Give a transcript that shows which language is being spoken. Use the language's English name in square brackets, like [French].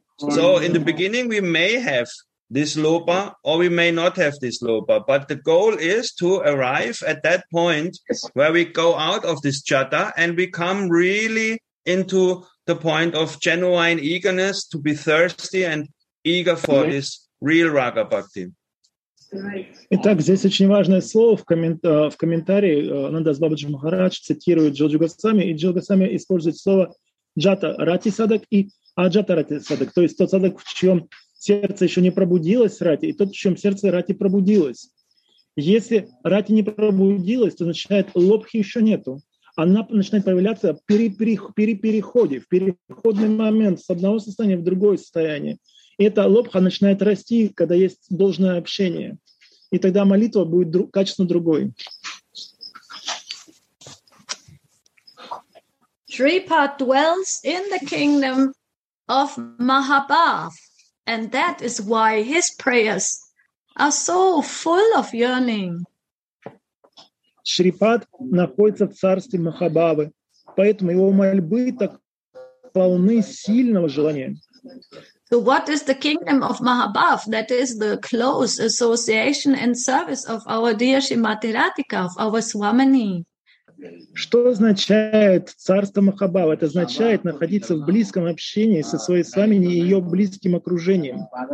[English] So in the beginning, we may have this lopa or we may not have this lopa. But the goal is to arrive at that point where we go out of this jata and we come really into the point of genuine eagerness to be thirsty and eager for this real Raga Bhakti. [Russian] Итак, здесь очень важное слово в комментарии Нандас Бабаджи Махарадж цитирует Джоджи Госвами, и Джоджи Госвами использует слово джата рати садак и аджата рати садак, то есть тот садак, в чьем сердце еще не пробудилось рати, и тот, в чьем сердце рати пробудилось. Если рати не пробудилось, то означает лобхи еще нету. Она начинает появляться при переходе, в переходный момент с одного состояния в другое состояние. И эта лобха начинает расти, когда есть должное общение. И тогда молитва будет качественно другой. [English] Shripa dwells in the kingdom of Mahabhav. And that is why his prayers are so full of yearning. [Russian] Шрипад находится в царстве Махабавы, поэтому его мольбы так полны сильного желания. [English] So what is the kingdom of Mahabhav? That is the close association and service of our dear Shrimati Radhika, of our Swamini. [Russian] Что означает царство Махабавы? Это означает находиться в близком общении со своей Свамини и ее близким окружением.